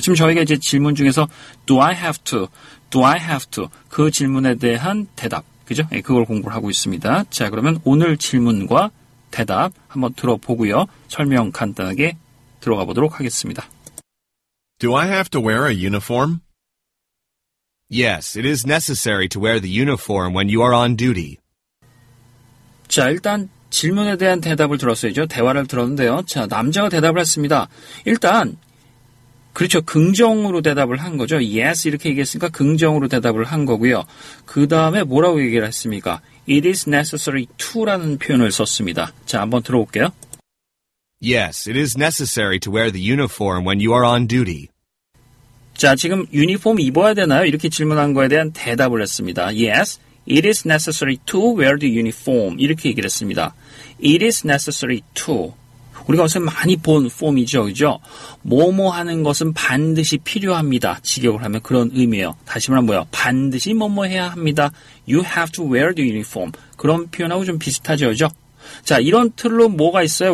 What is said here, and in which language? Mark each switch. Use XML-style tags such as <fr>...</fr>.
<ko>지금 저에게 이제 질문 중에서</ko> <en>Do I have to? Do I have to?</en> <ko>그 질문에 대한 대답. 그죠? 예, 그걸 공부를 하고 있습니다. 자, 그러면 오늘 질문과 대답 한번 들어보고요. 설명 간단하게 들어가 보도록 하겠습니다.</ko> <en>Do I have to wear a uniform? Yes, it is necessary to wear the uniform when you are on duty.</en> <ko>자, 일단 질문에 대한 대답을 들었어요. 대화를 들었는데요. 자, 남자가 대답을 했습니다. 일단, 그렇죠. 긍정으로 대답을 한 거죠. Yes, 이렇게 얘기했으니까 긍정으로 대답을 한 거고요. 그 다음에 뭐라고 얘기를 했습니까?</ko> <en>It is necessary to</en> <ko>라는 표현을 썼습니다. 자, 한번 들어볼게요.</ko> <en>Yes, it is necessary to wear the uniform when you are on duty.</en> <ko>자, 지금 유니폼 입어야 되나요? 이렇게 질문한 거에 대한 대답을 했습니다.</ko> <en>Yes, it is necessary to wear the uniform.</en> <ko>이렇게 얘기를 했습니다.</ko> <en>It is necessary to.</en> <ko>우리가 요새 많이 본 form이죠, 그죠? 뭐뭐 하는 것은 반드시 필요합니다. 직역을 하면 그런 의미예요. 다시 말하면 뭐요? 반드시 뭐뭐 해야 합니다.</ko> <en>You have to wear the uniform.</en> <ko>그런 표현하고 좀 비슷하죠, 그죠? 자, 이런 틀로 뭐가 있어요?</ko>